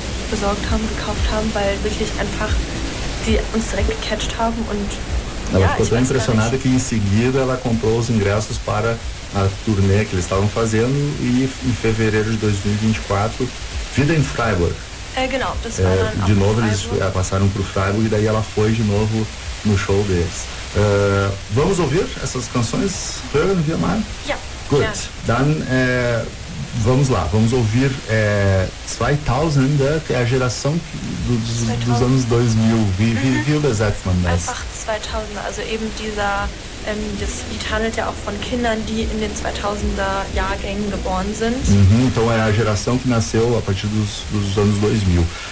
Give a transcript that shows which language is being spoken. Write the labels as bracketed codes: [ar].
[de] besorgt haben, gekauft haben, weil wirklich einfach die uns direkt gecatcht haben und [pt] ela ficou tão impressionada que em seguida ela comprou os ingressos para a turnê que eles estavam fazendo e em fevereiro de 2024, Vida em Freiburg. [de] Genau, das war dann [pt] de novo eles passaram para o Freiburg e daí ela foi de novo no show deles. Vamos ouvir essas canções, [de] Hören wir mal? [en] Yeah. Good. Yeah. [de] Dann, [pt] vamos lá, vamos ouvir 2000, que é a geração dos anos 2000. [de] Wie das jetzt man das? Einfach 2000, also eben dieser, das Lied handelt ja auch von Kindern, die in den 2000er Jahrgängen geboren sind. [pt] Uhum, então é a geração que nasceu a partir dos anos 2000.